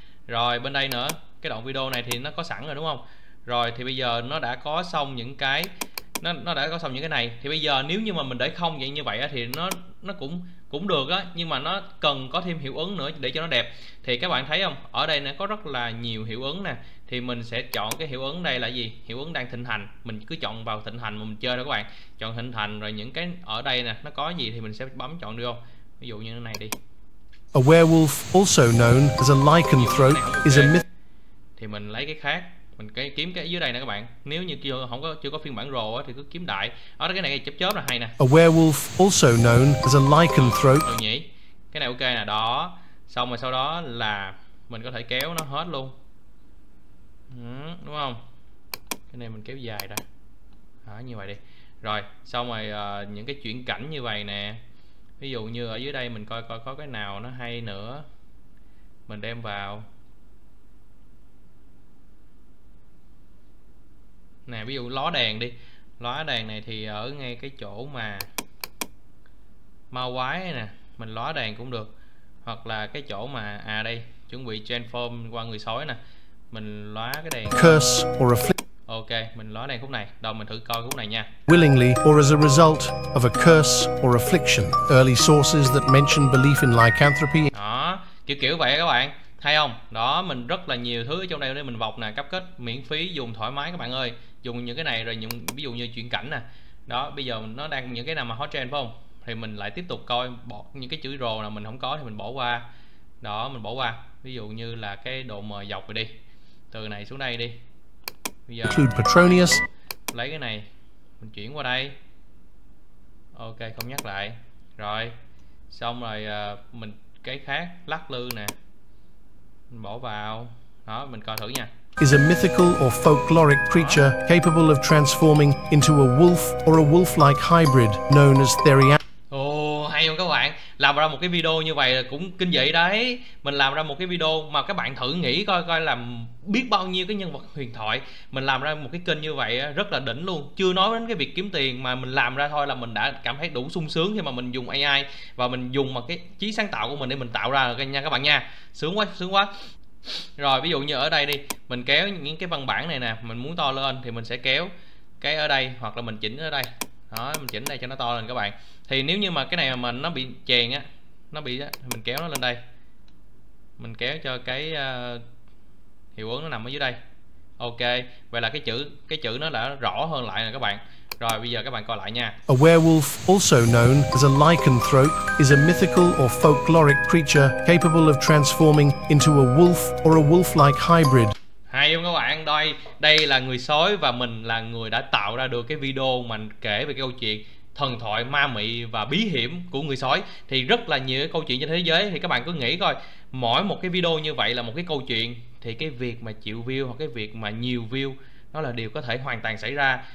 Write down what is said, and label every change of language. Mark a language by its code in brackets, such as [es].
[vi] Rồi bên đây nữa, cái đoạn video này thì nó có sẵn rồi đúng không? Rồi thì bây giờ nó đã có xong những cái, nó đã có xong những cái này, thì bây giờ nếu như mà mình để không vậy như vậy á, thì nó cũng cũng được á, nhưng mà nó cần có thêm hiệu ứng nữa để cho nó đẹp. Thì các bạn thấy không, ở đây nó có rất là nhiều hiệu ứng nè, thì mình sẽ chọn cái hiệu ứng đây là gì, hiệu ứng đang thịnh hành, mình cứ chọn vào thịnh hành mà mình chơi đó các bạn, chọn thịnh hành rồi những cái ở đây nè nó có gì thì mình sẽ bấm chọn được không, ví dụ như thế này đi. [en] A werewolf, also known as a lycanthrope, is a Ok myth. [vi] thì mình lấy cái khác, mình cái kiếm cái dưới đây nè các bạn, nếu như chưa có phiên bản rồ á, thì cứ kiếm đại ở cái này chớp chớp là hay nè, [en] A werewolf, also known as a lycanthrope. [vi] Rồi nhỉ, cái này ok nè, đó xong rồi sau đó là mình có thể kéo nó hết luôn. Đúng không, cái này mình kéo dài ra đó, như vậy đi. Rồi xong rồi những cái chuyển cảnh như vậy nè, ví dụ như ở dưới đây mình coi coi có cái nào nó hay nữa mình đem vào nè, ví dụ ló đèn đi, ló đèn này thì ở ngay cái chỗ mà ma quái này nè, mình ló đèn cũng được, hoặc là cái chỗ mà à đây chuẩn bị transform qua người sói nè, mình ló cái đèn [en] Curse or affliction. [vi] ok, mình ló đèn khúc này, đâu mình thử coi khúc này nha. [en] Willingly or as a result of a curse or affliction. Early sources that mention belief in lycanthropy. [vi] Đó, kiểu kiểu vậy các bạn. Hay không? Đó, mình rất là nhiều thứ ở trong đây để mình bọc nè, cấp kết miễn phí dùng thoải mái các bạn ơi. Dùng những cái này rồi những ví dụ như chuyển cảnh nè. Đó, bây giờ nó đang những cái nào mà hot trend phải không? Thì mình lại tiếp tục coi bỏ những cái chữ rồ nào mình không có thì mình bỏ qua. Đó, mình bỏ qua. Ví dụ như là cái độ mờ dọc rồi đi. Từ này xuống đây đi. Bây giờ [en] Include Petronius. [vi] lấy cái này mình chuyển qua đây. Ok, không nhắc lại. Rồi. Xong rồi mình cái khác lắc lư nè. Mình bỏ vào. Đó, mình coi thử nha. [en] Is a mythical or folkloric [vi] Đó. [en] creature capable of transforming into a wolf or a wolf-like hybrid known as Therian. [vi] Ồ, hay không các bạn? Làm ra một cái video như vậy là cũng kinh dị đấy. Mình làm ra một cái video mà các bạn thử nghĩ coi coi là biết bao nhiêu cái nhân vật huyền thoại mình làm ra một cái kênh như vậy rất là đỉnh luôn. Chưa nói đến cái việc kiếm tiền mà mình làm ra thôi là mình đã cảm thấy đủ sung sướng khi mà mình dùng AI và mình dùng một cái trí sáng tạo của mình để mình tạo ra cái nha các bạn nha. Sướng quá, sướng quá. Rồi ví dụ như ở đây đi, mình kéo những cái văn bản này nè, mình muốn to lên thì mình sẽ kéo cái ở đây hoặc là mình chỉnh ở đây. Đó, mình chỉnh đây cho nó to lên các bạn. Thì nếu như mà cái này mà nó bị chèn á, nó bị á, mình kéo nó lên đây. Mình kéo cho cái hiệu ứng nó nằm ở dưới đây. Ok, vậy là cái chữ nó đã rõ hơn lại nè các bạn. Rồi bây giờ các bạn coi lại nha. [en] A werewolf, also known as a lycanthrope, is a mythical or folkloric creature capable of transforming into a wolf or a wolf-like hybrid. [vi] Hay không các bạn? Đây, đây là người sói và mình là người đã tạo ra được cái video mà kể về cái câu chuyện thần thoại ma mị và bí hiểm của người sói. Thì rất là nhiều cái câu chuyện trên thế giới, thì các bạn cứ nghĩ coi mỗi một cái video như vậy là một cái câu chuyện, thì cái việc mà chịu view hoặc cái việc mà nhiều view nó là điều có thể hoàn toàn xảy ra.